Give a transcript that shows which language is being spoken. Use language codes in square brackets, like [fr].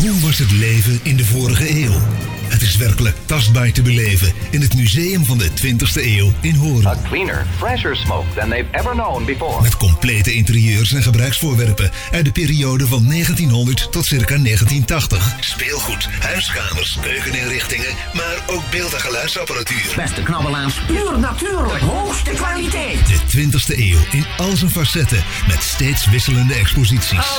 [nl] Hoe was het leven in de vorige eeuw? Het is werkelijk tastbaar te beleven in het museum van de 20e eeuw in Hoorn. [en] A cleaner, fresher smoke than they've ever known before. [nl] Met complete interieurs en gebruiksvoorwerpen uit de periode van 1900 tot circa 1980. Speelgoed, huiskamers, keukeninrichtingen, maar ook beeld- en geluidsapparatuur. Beste knabbelaars, puur natuurlijk, hoogste kwaliteit. De 20e eeuw in al zijn facetten met steeds wisselende exposities.